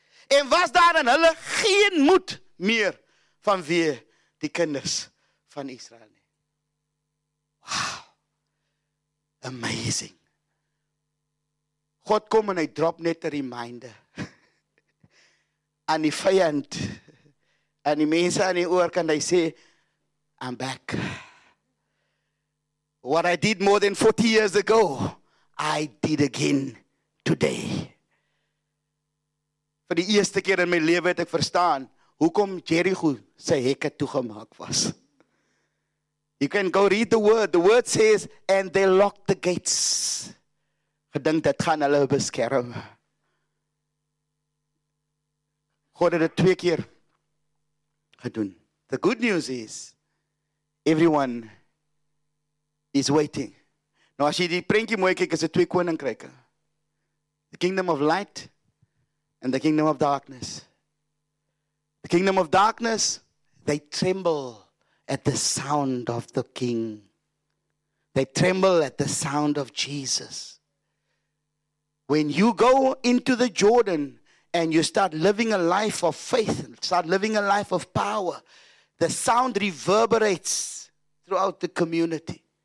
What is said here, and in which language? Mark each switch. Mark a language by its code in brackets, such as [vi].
[af] En was daar in hulle geen moed meer vanweer die kinders van Israel. [en] Wow. Amazing. [af] God kom en hy drop net 'n reminder aan die vyand, aan die mense aan die oor, kan hy sê, [en] I'm back. What I did more than 40 years ago, I did again today. [af] Vir die eerste keer in my lewe het ek verstaan hoekom Jericho sy hekke toegemaak was. [en] You can go read the word. The word says, and they locked the gates. [af] Gedink dit gaan hulle beskerm. God het dit twee keer gedoen. [en] The good news is, everyone is waiting. [af] Nou as jy die prentjie mooi kyk, is dit twee koninkryke. [en] The kingdom of light and the kingdom of darkness. The kingdom of darkness, they tremble at the sound of the king. They tremble at the sound of Jesus. When you go into the Jordan and you start living a life of faith, start living a life of power, the sound reverberates throughout the community.